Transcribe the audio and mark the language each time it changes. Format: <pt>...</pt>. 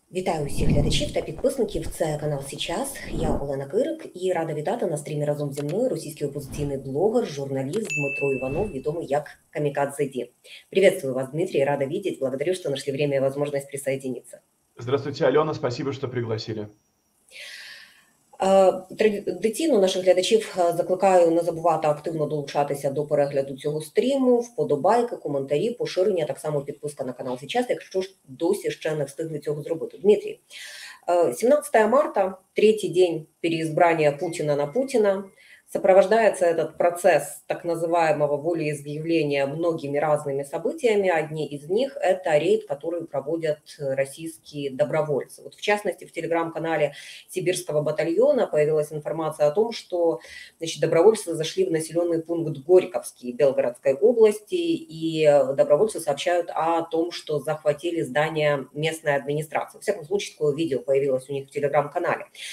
<uk>Вітаю всіх глядачів та підписників. Це канал «Січас». Я Олена Кирик і рада вітати на стрімі разом зі мною російський опозиційний блогер, журналіст Дмитро Іванов, відомий як Камікадзе Ді.</uk> <ru>Приветствую вас, Дмитрий, рада видеть. Благодарю, что нашли время и возможность присоединиться. Здравствуйте, Алена, спасибо, что пригласили.</ru> <uk>Традиційно наших глядачів закликаю не забувати активно долучатися до перегляду цього стріму, вподобайки, коментарі, поширення, так само підписка на канал «Січас», якщо ж досі ще не встигли цього зробити.</uk> <ru>Дмитрій, 17 марта,</ru> <uk>третій день переізбрання Путіна на Путіна,</uk> <ru>сопровождається этот процес так называемого волеизъявления многими разными событиями. Одни из них – это рейд, который проводят российские добровольцы. Вот в частности, в телеграм-канале Сибирского батальона появилась информация о том, что, значит, добровольцы зашли в населенный пункт Горьковский Белгородской области, и добровольцы сообщают о том, что захватили здание местной администрации. В всяком случае, такое видео появилось у них в телеграм-канале.</ru>